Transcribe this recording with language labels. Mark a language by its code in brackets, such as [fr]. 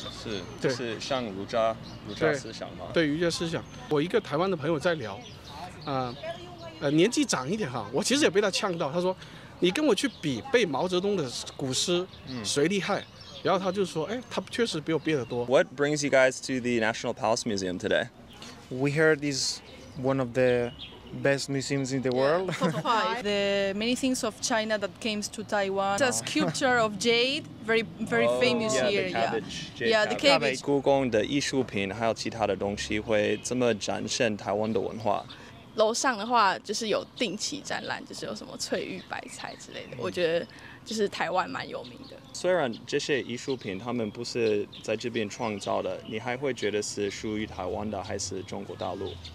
[zh] 是，对，是像儒家思想吗？对，儒家思想。我一个台湾的朋友在聊，年纪长一点哈，我其实也被他呛到，他说。你跟我去比背毛泽东的古诗，谁厉害？然后他就说，哎，他确实比我背得多。 [en] What brings you guys to the National Palace Museum today? We heard it's one of the best museums in the world. The many things of China that came to Taiwan. The sculpture of jade, very, very famous yeah, here. The cabbage, yeah, the cabbage. [zh] 故宫的艺术品还有其他的东西会这么展现台湾的文化。楼上的话就是有定期展览就是有什么翠玉白菜之类的、嗯、我觉得就是台湾蛮有名的虽然这些艺术品他们不是在这边创造的你还会觉得是属于台湾的还是中国大陆